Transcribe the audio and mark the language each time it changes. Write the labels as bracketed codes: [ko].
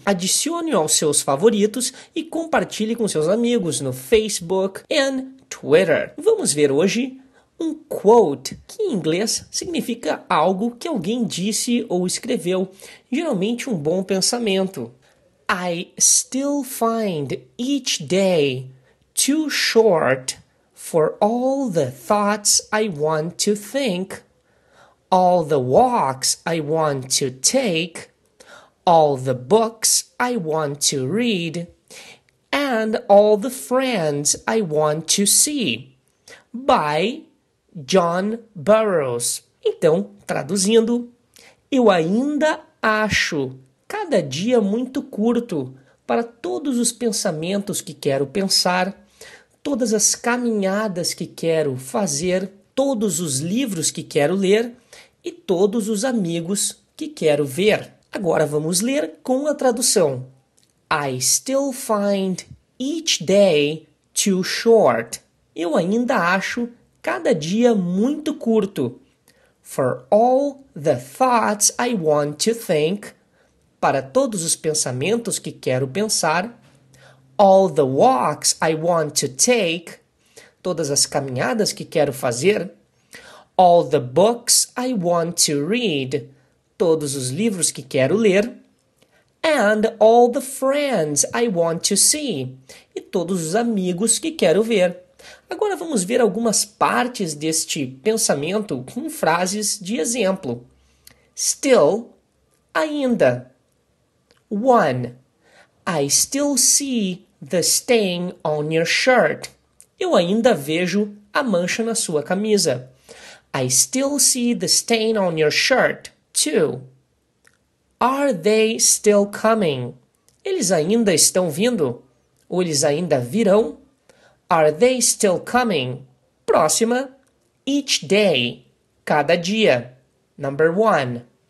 [pt] Adicione-o aos seus favoritos e compartilhe com seus amigos no Facebook e Twitter. Vamos ver hoje um quote, que em inglês significa algo que alguém disse ou escreveu, geralmente um bom pensamento. [en] I still find each day too short for all the thoughts I want to think, all the walks I want to take, all the books I want to read, and all the friends I want to see. By John Burroughs. [pt] Então, traduzindo, eu ainda acho cada dia muito curto para todos os pensamentos que quero pensar, todas as caminhadas que quero fazer, todos os livros que quero ler e todos os amigos que quero ver. Agora vamos ler com a tradução. [en] I still find each day too short. [pt] Eu ainda acho cada dia muito curto. [en] For all the thoughts I want to think. [pt] Para todos os pensamentos que quero pensar. [en] All the walks I want to take. [pt] Todas as caminhadas que quero fazer. [en] All the books I want to read. [pt] Todos os livros que quero ler. [en] And all the friends I want to see. [pt] E todos os amigos que quero ver. Agora vamos ver algumas partes deste pensamento com frases de exemplo. Still, ainda. 1. [en] I still see the stain on your shirt. [pt] Eu ainda vejo a mancha na sua camisa. [en] I still see the stain on your shirt. 2. Are they still coming? [pt] Eles ainda estão vindo? Ou eles ainda virão? [en] Are they still coming? Próxima. Each day. [pt] Cada dia. [en] Number one.